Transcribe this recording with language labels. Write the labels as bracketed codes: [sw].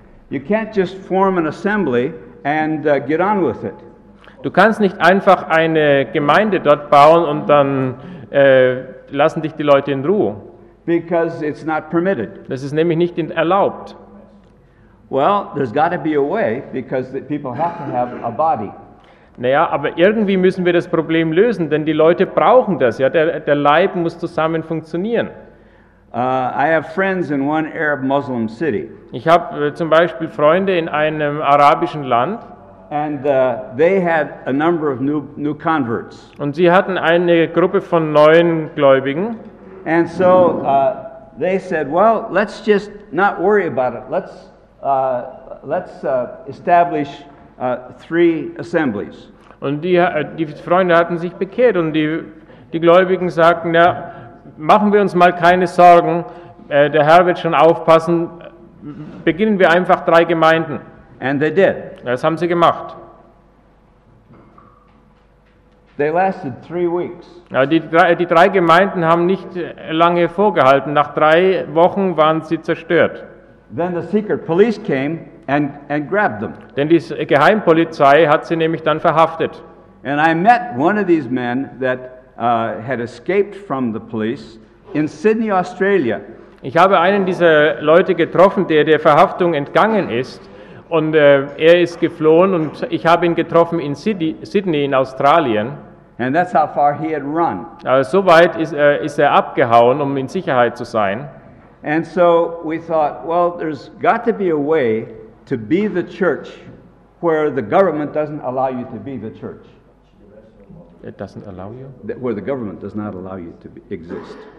[en] You can't just form an assembly and get on with it. [de] Du kannst nicht einfach eine Gemeinde dort bauen und dann lassen dich die Leute in Ruhe. [en] Because it's not permitted. [de] Das ist nämlich nicht erlaubt. [en] Well, there's got to be a way because the people have to have a body. [de] Naja, aber irgendwie müssen wir das Problem lösen, denn die Leute brauchen das. Ja, der Leib muss zusammen funktionieren. [en] I have friends in one Arab Muslim city. [de] Ich habe zum Beispiel Freunde in einem arabischen Land. [en] And they had a number of new converts. [de] Und sie hatten eine Gruppe von neuen Gläubigen. [en] And so they said, well, let's just not worry about it. Let's establish three assemblies. [de] Und die Freunde hatten sich bekehrt und die Gläubigen sagten, ja, machen wir uns mal keine Sorgen, der Herr wird schon aufpassen, beginnen wir einfach drei Gemeinden. [en] And they did. [de] Das haben sie gemacht. [en] They lasted 3 weeks. [de] Ja, die drei Gemeinden haben nicht lange vorgehalten. Nach 3 Wochen waren sie zerstört. [en] Then the secret police came and grabbed them. [de] Denn die Geheimpolizei hat sie nämlich dann verhaftet. [en] And I met one of these men that had escaped from the police in Sydney, Australia. [de] Ich habe einen dieser Leute getroffen, der Verhaftung entgangen ist. Und er ist geflohen und ich habe ihn getroffen in Sydney in Australien. [en] And that's how far he had run. [de] So weit ist er abgehauen, um in Sicherheit zu sein. [en] And so we thought, well, there's got to be a way to be the church where the government doesn't allow you to be the church. It doesn't allow you? Where the government does not allow you to exist.